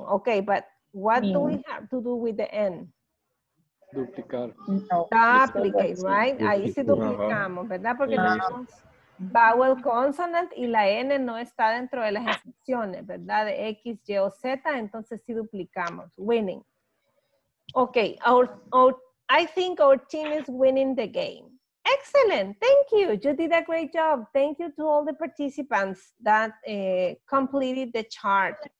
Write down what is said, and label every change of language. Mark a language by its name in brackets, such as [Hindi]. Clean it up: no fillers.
[English] Okay, but what do we have to do with the N? [Spanish] Duplicar. [English] Duplicate, right? [Spanish] Ahí sí duplicamos, ¿verdad? Porque tenemos [English] vowel consonant [Spanish] y la N no está dentro de las excepciones, ¿verdad? De X, Y o Z, entonces sí duplicamos. [English] Winning. Ok, I think our team is winning the game. Excellent, thank you. You did a great job. Thank you to all the participants that completed the chart.